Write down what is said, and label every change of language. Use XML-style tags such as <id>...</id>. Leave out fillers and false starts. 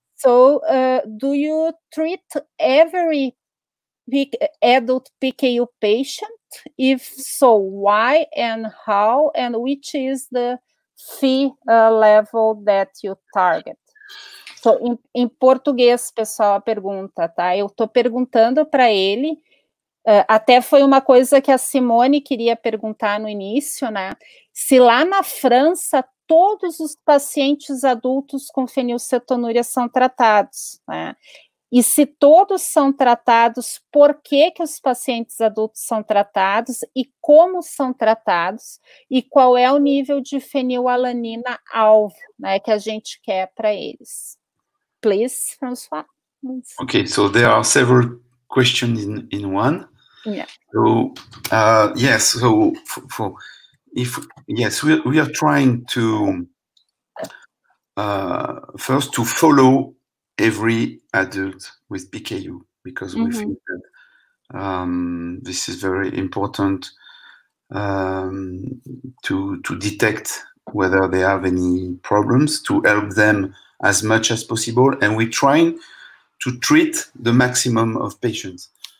<en>So, do you treat every adult PKU patient? If so, why and how, and which is the fee level that you target?</en> <pt>So, em português, pessoal, a pergunta, tá? Eu tô perguntando para ele, até foi uma coisa que a Simone queria perguntar no início, né? Se lá na França todos os pacientes adultos com fenilcetonúria são tratados, né? E se todos são tratados, por que que os pacientes adultos são tratados e como são tratados e qual é o nível de fenilalanina-alvo, né, que a gente quer para eles?</pt> <en>Please, François. Okay, so there are several questions in one. Yeah. So, yes, so for if yes, we are trying to first to follow every adult with PKU, because we think that this is very important to detect whether they have any problems, to help them as much as possible, and we're trying to treat the maximum of patients.</en>